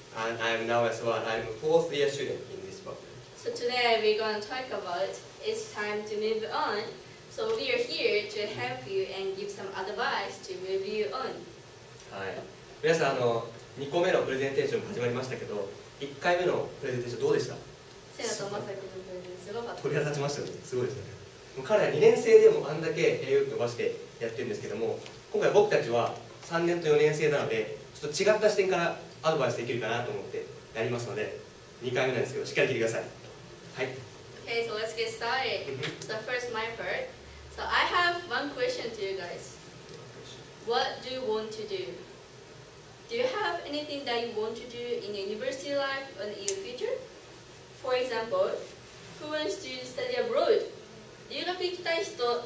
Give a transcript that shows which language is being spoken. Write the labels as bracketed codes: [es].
[en] And I'm now as well, I'm a fourth year student in this department. So today we're going to talk about it's time to move on. So we are here to help you and give some advice to move you on. Hi. [ja] 皆さん、2個目のプレゼンテーション始まりましたけど、1回目のプレゼンテーションどうでした？セナとマサキのプレゼンすごかった。鳥肌立ちましたよね。すごいですね。もう彼ら2年生でもあんだけ英語伸ばしてやってるんですけども、今回僕たちは3年と4年生なので、ちょっと違った視点からアドバイスできるかなと思ってやりますので、2回目なんですけど、しっかり聞いてください。はい。 [en] Okay, so let's get started. So first, my part. So I have one question to you guys. What do you want to do? Do you have anything that you want to do in your university life or in your future? For example, who wants to study abroad? [ja] 留学行きたい人